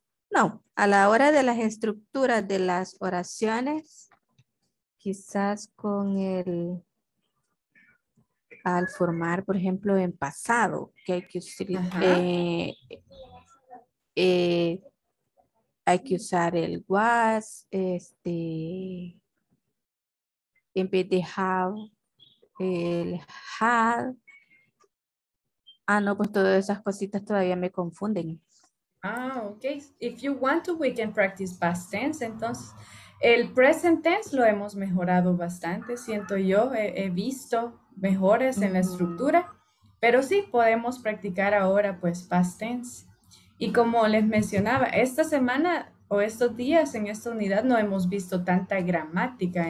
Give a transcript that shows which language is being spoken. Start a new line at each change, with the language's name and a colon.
Spanish: No, a la hora de las estructuras de las oraciones, quizás con el, al formar, por ejemplo, en pasado, que hay que usar, hay que usar el was, en vez de have, el had. Ah, no, pues todas esas cositas todavía me confunden. Ah, okay.
English: If you want to, we can practice past tense.
Spanish: Entonces, el present tense lo hemos mejorado bastante. Siento yo, he visto mejores en la estructura. Pero sí, podemos practicar ahora, pues, past tense. Y como les mencionaba, esta semana o estos días en esta unidad no hemos visto tanta gramática.